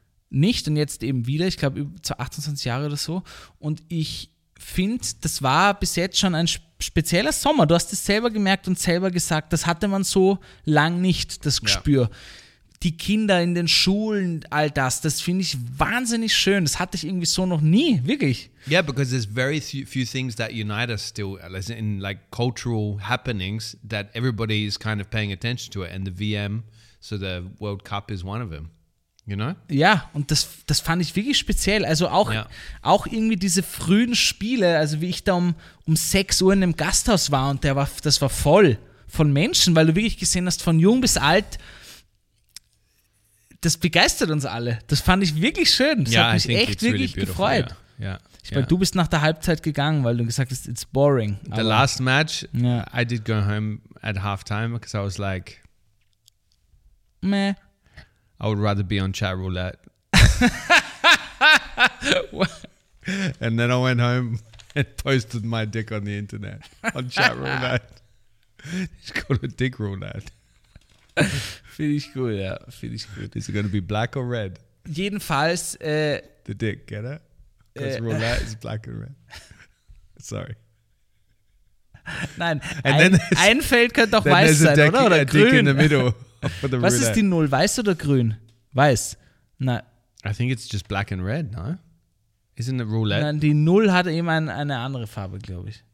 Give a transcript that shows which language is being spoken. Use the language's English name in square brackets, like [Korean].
[German] Nicht und jetzt eben wieder, ich glaube über 28 Jahre oder so. Und ich finde, das war bis jetzt schon ein spezieller Sommer. Du hast es selber gemerkt und selber gesagt, das hatte man so lang nicht, das Gespür. Ja. Die Kinder in den Schulen, all das finde ich wahnsinnig schön. Das hatte ich irgendwie so noch nie, wirklich. [English] Yeah, because there's very few things that unite us still, in like cultural happenings, that everybody is kind of paying attention to it. And the VM, so the World Cup is one of them. You know? [German] Ja, und das fand ich wirklich speziell. Also auch irgendwie diese frühen Spiele, also wie ich da um 6 Uhr in einem Gasthaus war und das war voll von Menschen, weil du wirklich gesehen hast, von jung bis alt, das begeistert uns alle. Das fand ich wirklich schön. Das hat mich echt wirklich [English] really [German] gefreut. [English] Yeah. [German] Ich meine, du bist nach der Halbzeit gegangen, weil du gesagt hast, [English] it's boring. The last match, I did go home at halftime because I was like, meh. I would rather be on chat roulette. And then I went home and posted my dick on the internet on chat roulette. It's called a dick roulette. [German] Finde ich gut, ja. Finde ich gut. [English] Is it going to be black or red? [German] Jedenfalls. [English] The dick, get it? Because roulette is black and red. Sorry. [German] Nein, ein Feld könnte auch weiß sein, deck, oder? Oder grün. [English] In the middle. [German] Was ist die Null? Weiß oder grün? Weiß. Nein. [English] I think it's just black and red, no? Isn't it roulette? [German] Nein, die Null hat eben eine andere Farbe, glaube ich.